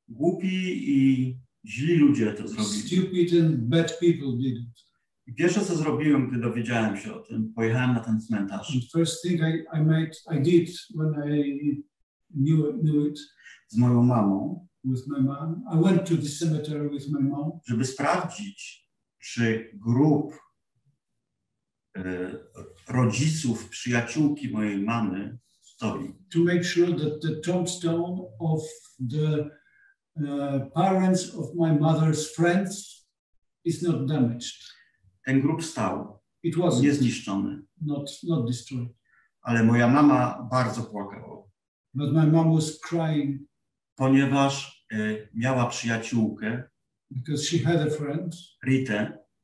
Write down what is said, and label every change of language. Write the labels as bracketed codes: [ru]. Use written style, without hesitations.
[pl] Głupi i źli ludzie to zrobili. [en] Stupid and bad people did it. [pl] I pierwsze co zrobiłem, gdy dowiedziałem się o tym, pojechałem na ten cmentarz. [en] And first thing I did when I knew it. [pl] Z moją mamą. [en] With my mom. I went to the cemetery with my mom. [pl] Żeby sprawdzić, czy grób rodziców, przyjaciółki mojej mamy stoi. [en] To make sure that the tombstone of the parents of my mother's friends is not damaged. [pl] Ten grób stał. [en] It was [pl] niezniszczony. [en] Not destroyed. [pl] Ale moja mama bardzo płakała. [en] But my mom was crying. [pl] Ponieważ miała przyjaciółkę. [en] Because she had a friend. Rita.